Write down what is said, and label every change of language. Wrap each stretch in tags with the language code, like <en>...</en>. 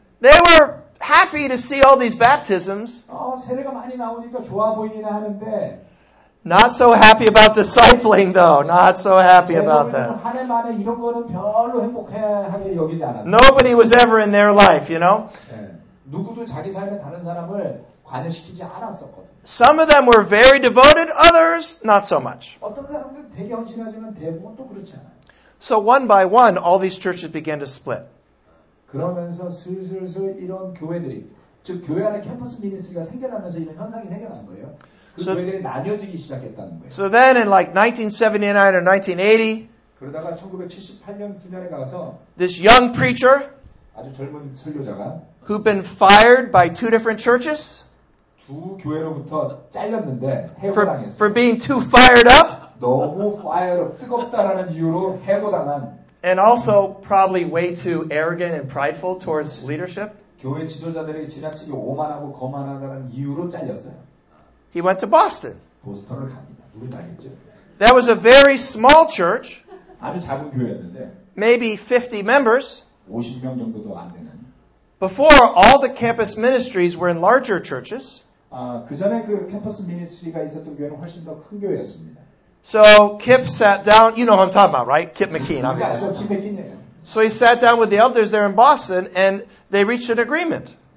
<en>They were happy to see all these baptisms.</en> <ko>세례가 많이 나오니까 좋아 보이긴 하는데.</ko> <en>Not so happy about discipling, though. Not so happy about that.</en> <ko>한 해 만에 이런 거는 별로 행복하게 여기지 않았어요.</ko> <en>Nobody was ever in their life, you know.</en> <ko>네. 누구도 자기 삶에 다른 사람을 관여시키지 않았었거든요.</ko> <en>Some of them were very devoted. Others, not so much.</en> <ko>어떤 사람들은 되게 헌신하지만 대부분 또 그렇지 않아요.</ko> <en>So one by one, all these churches began to split.</en> <ko>그러면서 슬슬슬 이런 교회들이, 즉 교회 안에 캠퍼스 미니스트리가 생겨나면서 이런 현상이 생겨난 거예요. 그 so, 교회들이 나뉘어지기 시작했다는 거예요.</ko> <en>So then in like 1979 or 1980,</en> <ko>그러다가 1978년 9년에 가서</ko> <en>this young preacher,</en> <ko>아주 젊은 설교자가</ko> <en>who'd been fired by two different churches,</en> <ko>두 교회로부터 잘렸는데 해고당했어요.</ko> <en>For being too fired up,</en> <ko>너무</ko> <en>fired up,</en> <ko>뜨겁다라는 이유로 해고당한.</ko> <en>And also probably way too arrogant and prideful towards leadership.</en> <ko>교회 지도자들이 지나치게 오만하고 거만하다는 이유로 잘렸어요.</ko> <en>He went to Boston.</en> <ko>보스턴을 갑니다. 누구나 알겠죠?</ko> <en>That was a very small church.</en> <ko>아주 작은 교회였는데.</ko> <en>Maybe 50 members.</en> <ko>50명 정도도 안 되는.</ko> <en>Before, all the campus ministries were in larger churches.</en> <ko>그 전에 그 캠퍼스 미니스트리가 있었던 교회는 훨씬 더 큰 교회였습니다.</ko> <en>So Kip sat down, you know who I'm talking about, right? Kip McKean, obviously. So he sat down with the elders there in Boston and they reached an agreement.</en>